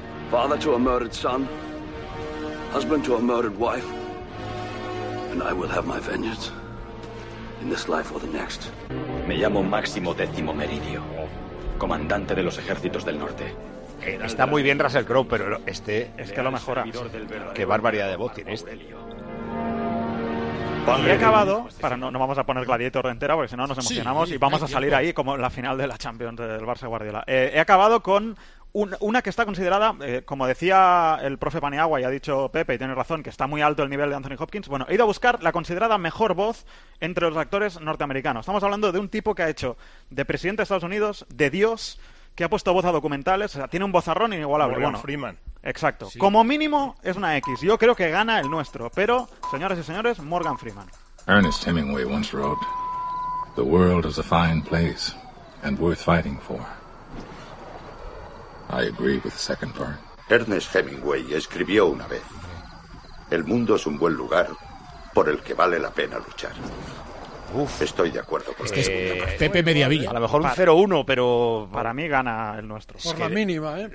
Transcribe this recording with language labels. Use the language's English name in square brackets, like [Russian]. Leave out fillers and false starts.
[English] Father to a murdered son, husband to a murdered wife, and I will have my vengeance in this life or the next. [Spanish] Me llamo Máximo Décimo Meridio, comandante de los ejércitos del norte. Está muy bien Russell Crowe, pero este... Es que a lo mejor... Qué barbaridad de voz tiene este. Y he acabado, para no vamos a poner Gladiator entera porque si no nos emocionamos y vamos a salir ahí como la final de la Champions del Barça Guardiola. He acabado con una que está considerada, como decía el profe Paniagua y ha dicho Pepe y tiene razón, que está muy alto el nivel de Anthony Hopkins. Bueno, he ido a buscar la considerada mejor voz entre los actores norteamericanos. Estamos hablando de un tipo que ha hecho de presidente de Estados Unidos, de Dios, que ha puesto voz a documentales, o sea, tiene un vozarrón inigualable. Morgan Freeman. Exacto. Sí. Como mínimo es una X. Yo creo que gana el nuestro. Pero, señoras y señores, Morgan Freeman. [English] Ernest Hemingway once wrote, "The world is a fine place and worth fighting for." I agree with the second part. [Spanish] Ernest Hemingway escribió una vez, "El mundo es un buen lugar por el que vale la pena luchar." Uf, estoy de acuerdo con este es Pepe Mediavilla. A lo mejor un 0-1, pero para mí gana el nuestro. Por es que, la mínima, ¿eh?